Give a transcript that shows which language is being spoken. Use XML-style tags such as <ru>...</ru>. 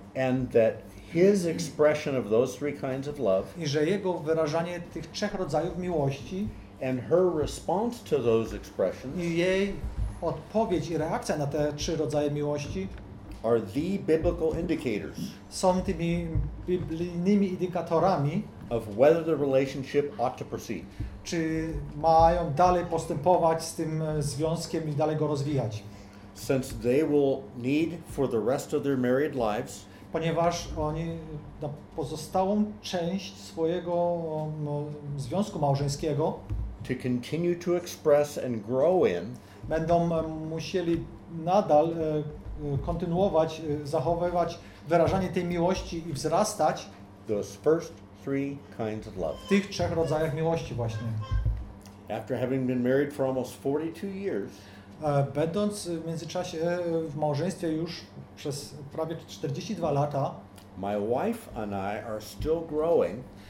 <en>And that his expression of those three kinds of love.</en> <pl>I że jego wyrażanie tych trzech rodzajów miłości.</pl> <en>And her response to those expressions.</en> <pl>I jej odpowiedź i reakcja na te trzy rodzaje miłości.</pl> <en>Are the biblical indicators.</en> <pl>Są tymi biblijnymi indikatorami.</pl> <en>Of whether the relationship ought to proceed.</en> <pl>Czy mają dalej postępować z tym związkiem i dalej go rozwijać.</pl> <en>Since they will need for the rest of their married lives.</en> <pl>Ponieważ oni na pozostałą część swojego związku małżeńskiego.</pl> <en>To continue to express and grow in.</en> <pl>Będą musieli nadal kontynuować, zachowywać wyrażanie tej miłości i wzrastać.</pl> <en>Those first three kinds of love.</en> <pl>W tych trzech rodzajach miłości właśnie.</pl> <en>After having been married for almost 42 years.</en> <pl>Będąc w międzyczasie w małżeństwie już przez prawie 42 lata.</pl> <en>My wife and I are still growing.</en>